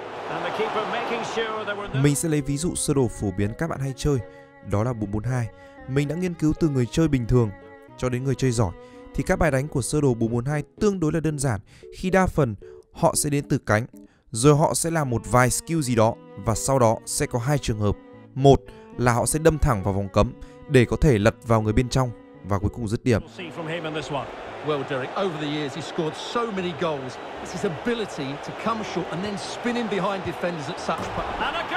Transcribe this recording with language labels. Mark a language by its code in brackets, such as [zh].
[en] And the keeper making sure there were no... [vi] Mình sẽ lấy ví dụ sơ đồ phổ biến các bạn hay chơi, đó là 442. Mình đã nghiên cứu từ người chơi bình thường cho đến người chơi giỏi thì các bài đánh của sơ đồ 442 tương đối là đơn giản khi đa phần họ sẽ đến từ cánh, rồi họ sẽ làm một vài skill gì đó và sau đó sẽ có hai trường hợp. Một là họ sẽ đâm thẳng vào vòng cấm để có thể lật vào người bên trong và cuối cùng dứt điểm. [en] Well, Derek, over the years he scored so many goals. It's his ability to come short and then spin in behind defenders at such point.